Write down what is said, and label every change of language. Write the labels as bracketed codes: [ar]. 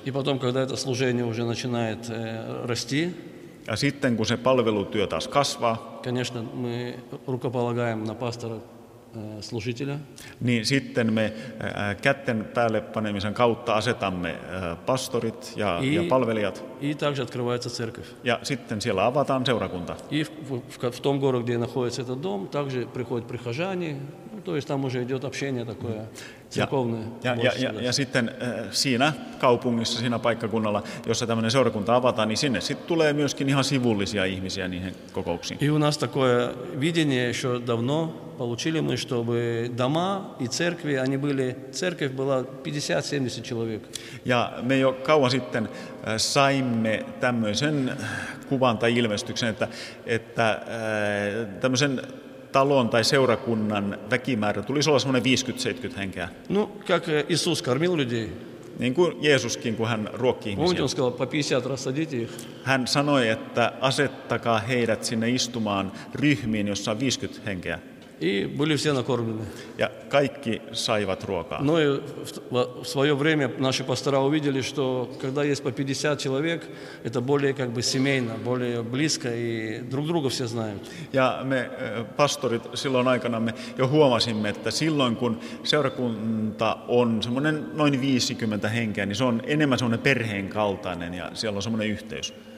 [ru] И потом, когда это служение уже начинает расти, [fi] ja sitten kun se palvelutyö taas kasvaa, [ru] конечно, мы рукополагаем на пастора служителя. [fi] Niin sitten me kätten päälle panemisen kautta asetamme pastorit ja palvelijat. [ru] И также открывается церковь. [fi] Ja sitten siellä avataan seurakunta. [ru] И в том городе, где находится этот дом, также приходят прихожане. То есть там уже идет общение такое церковное. [fi] Ja sitten siinä kaupungissa, siinä paikkakunnalla, jossa tämmöinen seurakunta avataan, niin sinne sitten tulee myöskin ihan sivullisia ihmisiä niihin kokouksiin. [ru] И у нас такое видение еще давно получили мы, чтобы дома и церкви, они были, церковь была 50-70 человек. [fi] Ja me jo kauan sitten saimme tämmöisen kuvan tai ilmestyksen, että tämmöisen talon tai seurakunnan väkimäärä tulisi olla semmoinen 50-70 henkeä. [ru] Ну, как Иисус кормил людей. [fi] Niin kuin Jeesuskin, kun hän ruokki ihmisiä. Hän sanoi, että asettakaa heidät sinne istumaan ryhmiin, jossa on 50 henkeä. [ru] И были все накормлены. [fi] Ja kaikki saivat ruokaa. [ru] Но в свое время наши пастора увидели, что когда есть по 50 человек, это более как бы семейно, более близко и друг друга все знают. [fi] Ja me pastorit silloin aikanamme jo huomasimme, että silloin kun seurakunta on semmoinen noin 50 henkeä, niin se on enemmän semmoinen perheen kaltainen ja siellä on semmoinen yhteys.